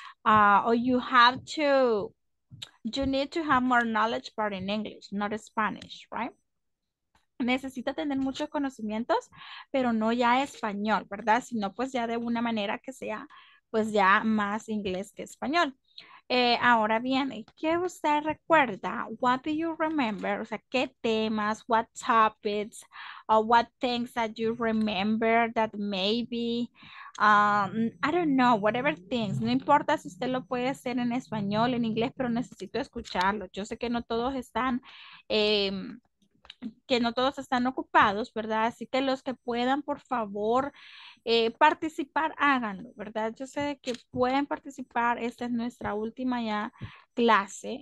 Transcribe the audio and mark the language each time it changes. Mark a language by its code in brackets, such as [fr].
[en] or you have to, you need to have more knowledge, but in English, not Spanish, right? [es] Necesita tener muchos conocimientos, pero no ya español, ¿verdad? Sino pues ya de una manera que sea, pues ya más inglés que español. Ahora bien, ¿qué usted recuerda? [en] What do you remember? [es] O sea, ¿qué temas, [en] what topics, or what things that you remember that maybe, I don't know, whatever things. [es] No importa si usted lo puede hacer en español, en inglés, pero necesito escucharlo. Yo sé que no todos están, que no todos están ocupados, ¿verdad? Así que los que puedan, por favor, participar, háganlo, ¿verdad? Yo sé que pueden participar. Esta es nuestra última ya clase.